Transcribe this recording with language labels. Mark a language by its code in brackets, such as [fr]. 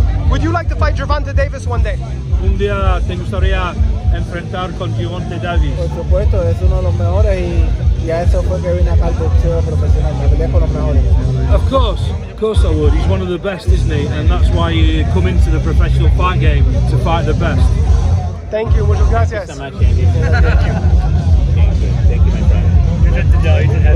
[en] Would you like to fight Gervonta Davis one day? [es] Un día te gustaría enfrentar con Gervonta Davis. Por supuesto, es uno de los mejores y a eso fue que vine acá al boxeo profesional. Me peleé con los mejores. [en] Of course I would. He's one of the best, isn't he? And that's why you come into the professional fight game, to fight the best. Thank you. [es] Muchas gracias. [en] Thank you so much, Andy. Thank you. Thank you. Thank you, my friend.